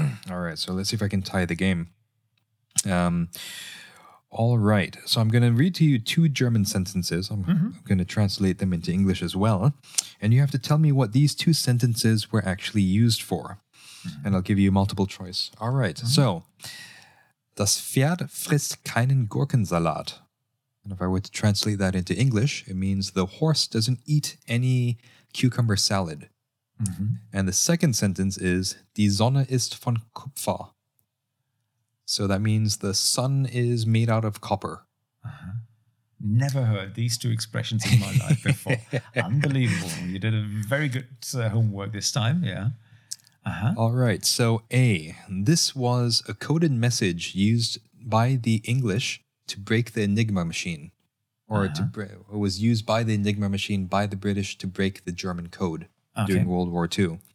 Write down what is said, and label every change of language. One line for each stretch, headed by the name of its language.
English: All right, so let's see if I can tie the game. All right, so I'm going to read to you two German sentences. I'm going to translate them into English as well. And you have to tell me what these two sentences were actually used for. And I'll give you multiple choice. All right. Mm-hmm.
German: So, das Pferd frisst keinen Gurkensalat.
English: And if I were to translate that into English, it means the horse doesn't eat any cucumber salad. Mm-hmm. And the second sentence is,
German: die Sonne ist von Kupfer.
English: So that means the sun is made out of copper. Uh-huh. Never heard these two expressions in my life before. Unbelievable. You did a very good homework this time. Yeah. Uh-huh. All right. So A, this was a coded message used by the English to break the Enigma machine, or it was used by the Enigma machine by the British to break the German code during World War II.